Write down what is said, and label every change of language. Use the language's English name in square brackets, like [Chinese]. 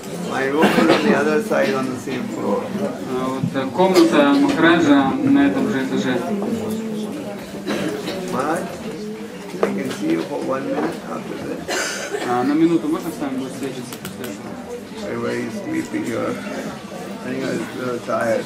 [English] My room is on the other side on the same floor. [Russian] Вот комната Махараджа на этом же этаже. [English] Maharaj, I can see you for 1 minute after this. [Russian] На минуту можно с вами будет встретиться? [English] Very, very sleepy here. I think I'm a little tired.